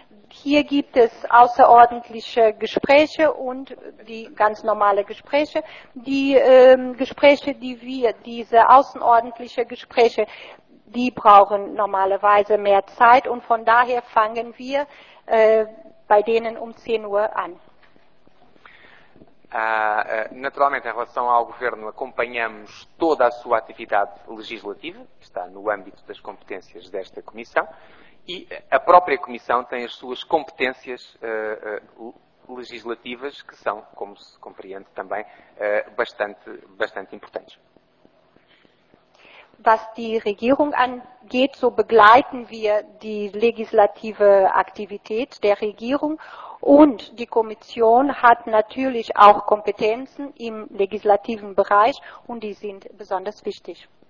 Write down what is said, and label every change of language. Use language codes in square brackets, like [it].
[de] Hier gibt es außerordentliche Gespräche und die ganz normale Gespräche. Die Gespräche, die wir, diese außerordentlichen Gespräche, die brauchen normalerweise mehr Zeit und von daher fangen wir bei denen um 10 Uhr an. [pt] Naturalmente, em relação ao Governo, acompanhamos toda a sua atividade legislativa, que está no âmbito das competências desta Comissão, e a própria Comissão tem as suas competências legislativas, que são, como se compreende também, bastante, bastante importantes. [de] Was die Regierung angeht, so begleiten wir die legislative Aktivität der Regierung und die Kommission hat natürlich auch Kompetenzen im legislativen Bereich und die sind besonders wichtig.